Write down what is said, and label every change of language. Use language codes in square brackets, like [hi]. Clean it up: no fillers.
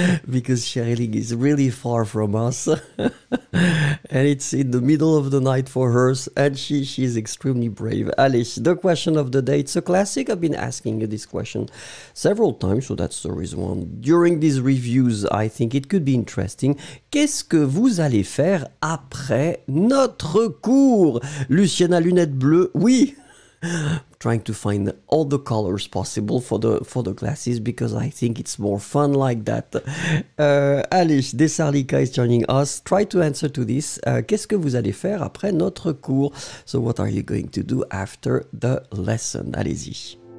[en] Because Sherry Lynn is really far from us. And it's in the middle of the night for her. And she's extremely brave. Allez, the question of the day. It's a classic. I've been asking you this question several times. So that's the reason why during these reviews, I think it could be interesting. [fr] Qu'est-ce que vous allez faire après notre cours? Luciana, lunettes bleues. Oui. [en] Trying to find all the colors possible for the glasses because I think it's more fun like that. Alice Desarlika is joining us. Try to answer to this. [fr] Qu'est-ce que vous allez faire après notre cours? [en] So what are you going to do after the lesson? [fr] Allez-y.